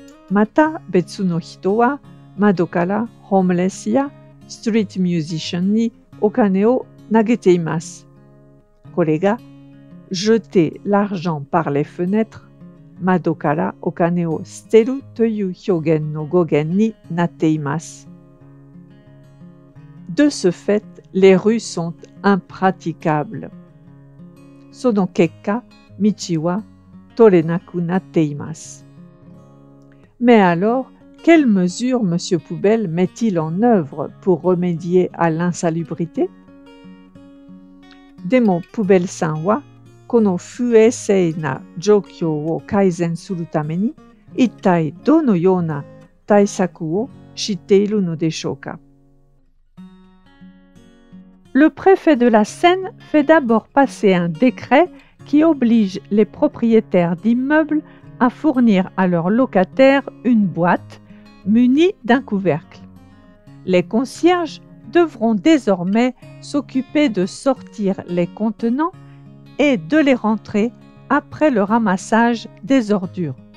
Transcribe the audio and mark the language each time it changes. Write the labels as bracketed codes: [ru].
[ja] また別の人は、窓からホームレスやストリートミュージシャンにお金を投げています。これが、 [fr] jeter l'argent par les fenêtres、 [ja] 窓からお金を捨てるという表現の語源になっています。 [fr] De ce fait, les rues sont impraticables. [ja] その結果、道は取れなくなっています。 [fr] Mais alors, quelles mesures M. Poubelle met-il en œuvre pour remédier à l'insalubrité? [ja] でも、Poubelle さんは、この不衛生な状況を改善するために、一体どのような対策を知っているのでしょうか？ [fr] Le préfet de la Seine fait d'abord passer un décret qui oblige les propriétaires d'immeubles à fournir à leurs locataires une boîte munie d'un couvercle. Les concierges devront désormais s'occuper de sortir les contenants et de les rentrer après le ramassage des ordures.